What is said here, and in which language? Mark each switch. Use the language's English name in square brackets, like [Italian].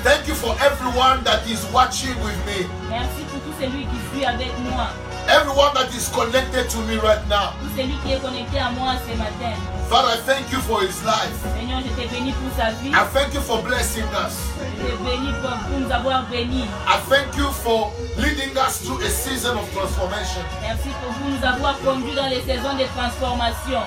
[English] Thank you for everyone that is watching with me. [French] Merci pour tout celui qui suit avec moi. [English] Everyone that is connected to me right now. [French] Tout celui qui est connecté à moi ce matin. [English] Father, I thank you for his life. [French] Seigneur, je te bénis pour sa vie. [English] I thank you for blessing us. [French] Je te bénis pour nous avoir bénis. [English] I thank you for leading us through a season of transformation. [French] Merci pour nous avoir conduit dans les saisons de transformation.